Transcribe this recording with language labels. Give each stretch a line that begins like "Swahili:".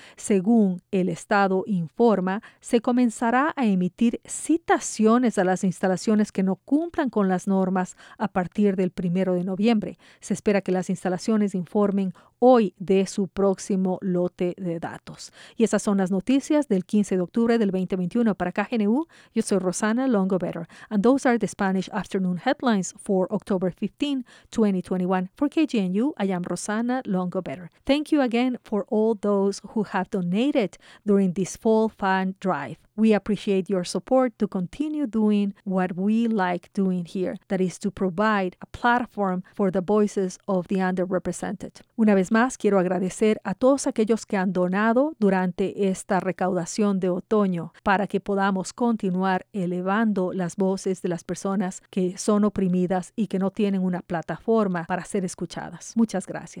Spanish: Según el estado informa, se comenzará a emitir citaciones a las instalaciones que no cumplan con las normas a partir del 1 de noviembre. Se espera que las instalaciones informen hoy de su próximo lote de datos. Y esas son las noticias del 15 de octubre del 2021 para KGNU. Yo soy Rosana Longo-Better.
English: And those are the Spanish Afternoon Headlines for October 15, 2021. For KGNU, I am Rosana Longo-Better. Thank you again for all those who have donated during this fall fan drive. We appreciate your support to continue doing what we like doing here, that is to provide a platform for the voices of the underrepresented.
Spanish: Una vez más, quiero agradecer a todos aquellos que han donado durante esta recaudación de otoño para que podamos continuar elevando las voces de las personas que son oprimidas y que no tienen una plataforma para ser escuchadas. Muchas gracias.